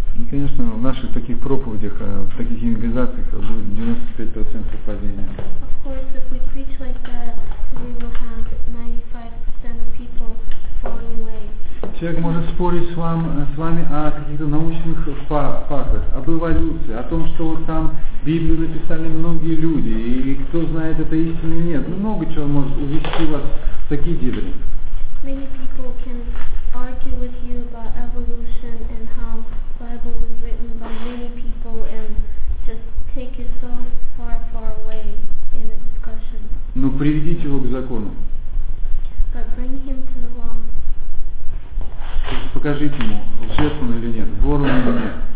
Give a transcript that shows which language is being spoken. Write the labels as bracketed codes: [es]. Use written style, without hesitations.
[ru] Конечно, в наших таких проповедях, в таких евангелизациях будет 95% падения. [en] Of course, if we preach like that, we will have 95% of people falling away. [ru] Человек может спорить с вами о каких-то научных фактах, об эволюции, о том, что там Библию написали многие люди, и кто знает, это истина или нет. Много чего может увести вас в такие дебри. [en] Many people can argue with you about evolution and how Bible was written by many people and just take it so far, far away in the discussion. [ru] Но приведите его к закону. [en] But bring him to the law. [ru] покажите ему, лжет он или нет, вор он или нет.